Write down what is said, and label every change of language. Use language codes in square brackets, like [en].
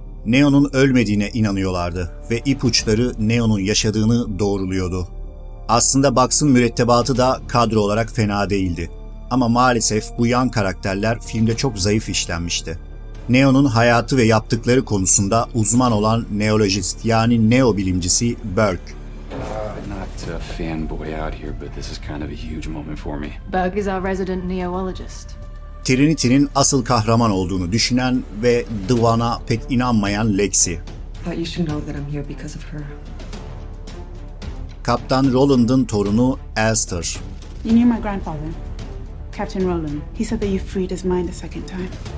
[tr] Neo'nun ölmediğine inanıyorlardı ve ipuçları Neo'nun yaşadığını doğruluyordu. Aslında Bugs'ın mürettebatı da kadro olarak fena değildi. Ama maalesef bu yan karakterler filmde çok zayıf işlenmişti. Neo'nun hayatı ve yaptıkları konusunda uzman olan neolojist yani Neo bilimcisi Burke. [en] Not a fanboy out here, but this is kind of a huge moment for me. Burke is our resident neologist. [tr] Trinity'nin asıl kahraman olduğunu düşünen ve The One'a pek inanmayan Lexi. [en] But you should know that I'm here because of her. [tr] Kaptan Roland'ın torunu Elster. [en] You knew my grandfather, Captain Roland. He said that you freed his mind a second time.